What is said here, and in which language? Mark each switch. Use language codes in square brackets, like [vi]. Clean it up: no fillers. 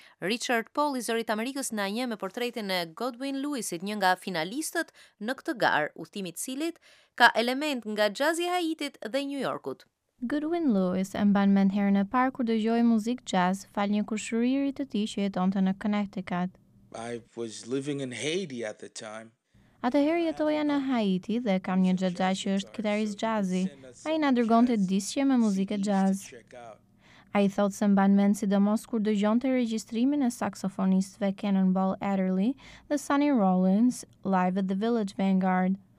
[sq] Richard Paul i zërit Amerikës na një me portretin e Godwin Lewisit, një nga finalistët në këtë garë, udhtimi i cilit ka element nga jazzi i Haitit dhe New Yorkut. Goodwin Lewis e mban mend herën e parë kur dëgjoi muzikë jazz fal një kushëriri të tij që jetonte në Connecticut. [en] I was living in Haiti at the time. [sq] Atëherë jetoja në Haiti dhe kam një xhaxha që është kitarist jazzi. Ai na dërgonte diskje me muzikë jazz. Ai thotë se mban mend sidomos kur dëgjonte regjistrimin e saksofonistëve Cannonball Adderley dhe Sonny Rollins live at the Village Vanguard.